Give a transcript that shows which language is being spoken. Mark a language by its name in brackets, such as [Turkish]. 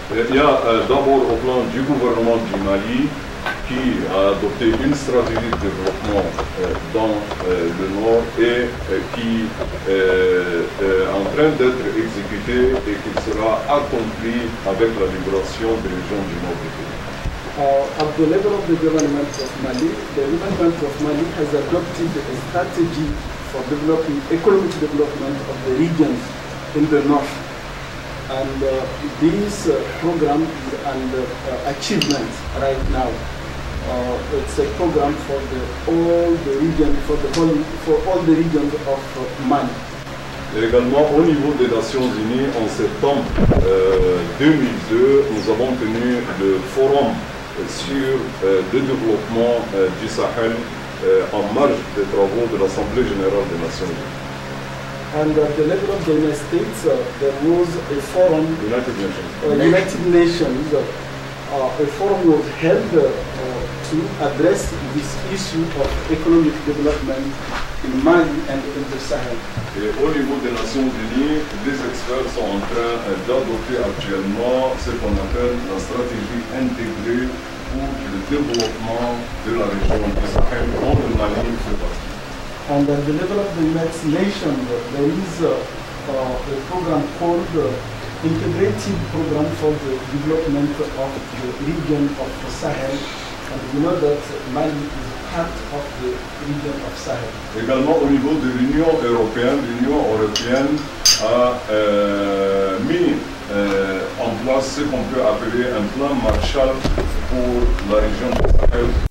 [French] Il y a d'abord au plan du gouvernement du Mali, qui a adopté une stratégie de développement dans le nord et qui est en train d'être exécutée et qui sera accomplie avec la libération des régions du nord du pays. [English] At the level of the government of Mali, the government of Mali has adopted a strategy for developing economic development of the regions in the north. And this program is an achievement right now. It's a program for all the regions of Mali. [French] Également au niveau des Nations Unies, en septembre 2002, nous avons tenu le forum sur le développement du Sahel en marge des travaux de l'Assemblée générale des Nations Unies. [English] And at the level of the United States, there was a forum. United Nations. United Nations. A forum was held to address this issue of economic development in Mali and in the Sahel. [French] Et au niveau des Nations Unies, les experts sont en train d'adopter actuellement ce qu'on appelle la stratégie intégrée pour le développement de la région du Sahel dans le Mali. [English] And at the level of the United Nations, there is a program called integrative program for the development of the region of the Sahel. And you know that Mali is part of the region of Sahel. [French] Également au niveau de l'Union européenne, l'Union européenne a mis en place ce qu'on peut appeler un plan Marshall pour la région du Sahel.